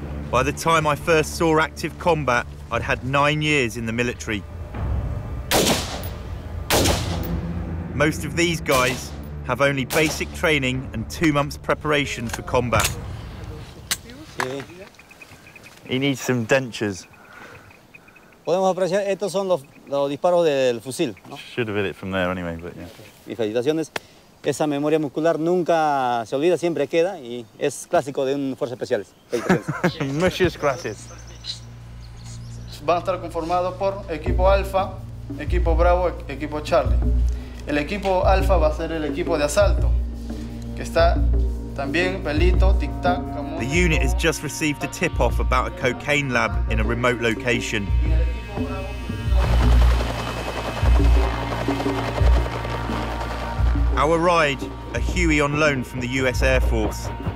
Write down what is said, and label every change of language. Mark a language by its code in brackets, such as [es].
[en] By the time I first saw active combat, I'd had 9 years in the military. Most of these guys have only basic training and 2 months preparation for combat. He needs some dentures. [es] Podemos apreciar estos son los disparos del fusil. [en] Should have hit it from there anyway, but yeah. [es] Y felicitaciones. Esa memoria muscular nunca se olvida, siempre queda, y es clásico de un fuerza especial. Muchas gracias. Van a estar conformados por equipo Alfa, equipo Bravo, equipo Charlie. El equipo Alfa va a ser el equipo de asalto, que está también pelito, tic-tac. [en] The unit has just received a tip-off about a cocaine lab in a remote location. Our ride, a Huey on loan from the US Air Force.